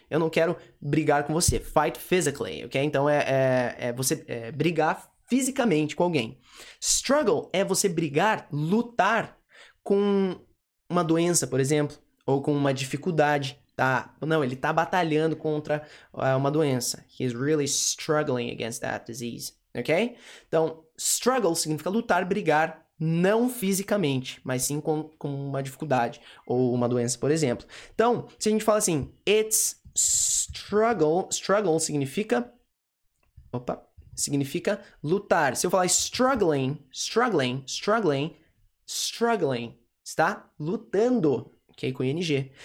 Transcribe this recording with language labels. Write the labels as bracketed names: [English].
[Portuguese] Eu não quero brigar com você. [English] Fight physically, ok? [Portuguese] Então é brigar fisicamente com alguém. Struggle é você brigar, lutar com uma doença, por exemplo, ou com uma dificuldade, tá? Não, ele tá batalhando contra uma doença. [English] He's really struggling against that disease, ok? [Portuguese] Então, struggle significa lutar, brigar, não fisicamente, mas sim com uma dificuldade ou uma doença, por exemplo. Então, se a gente fala assim, it's struggle, struggle significa... Opa! Significa lutar. Se eu falar struggling, struggling, struggling, struggling, está lutando, ok? Com ing.